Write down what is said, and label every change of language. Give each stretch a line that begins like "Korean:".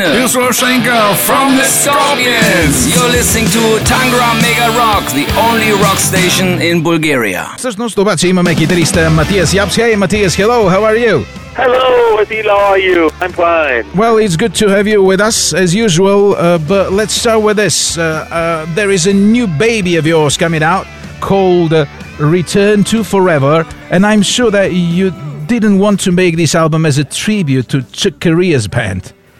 English: This is Rolf Schenker from the Scorpions. You're listening to Tangra Mega Rock, the only rock station in Bulgaria.
Bulgarian: Всъщност, това, че имаме гитариста Матиас Япс.
English: Hey, Matthias, hello, how are you? Hello, Adila, how are you? I'm fine. Well, it's good to have you with us, as usual, but let's start with this. There is a new baby of yours coming out called Return to Forever, and I'm sure that you didn't want to make this album as a tribute to Chick Corea's band.